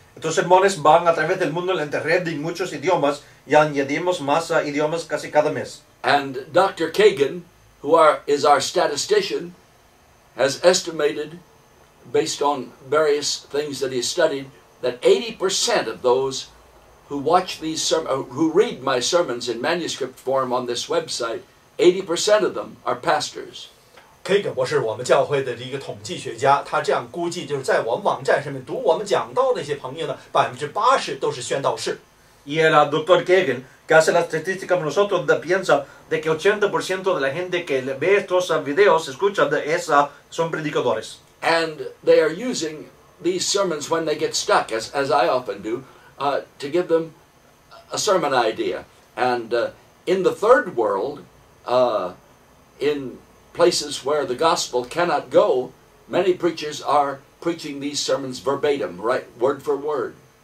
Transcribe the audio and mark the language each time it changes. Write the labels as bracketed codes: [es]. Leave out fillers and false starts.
[es] Entonces Mones van a través del mundo en internet en muchos idiomas y añadimos más idiomas casi cada mes. [en] And Dr. Kagan, who is our statistician, has estimated, based on various things that he studied, that 80% of those who watch these who read my sermons in manuscript form on this website, 80% of them are pastors. [zh] Kagan 博士，我们教会的一个统计学家，他这样估计，就是在我们网站上面读我们讲道的那些朋友呢， 80% 都是宣道士。 [es] Y el doctor Kagan, que hace la estadística con nosotros, piensa de que 80% de la gente que ve estos videos, escucha de esa, son predicadores. [en] And they are using these sermons when they get stuck, as I often do, to give them a sermon idea. And in the third world, in places where the gospel cannot go, many preachers are preaching these sermons verbatim, right, word for word.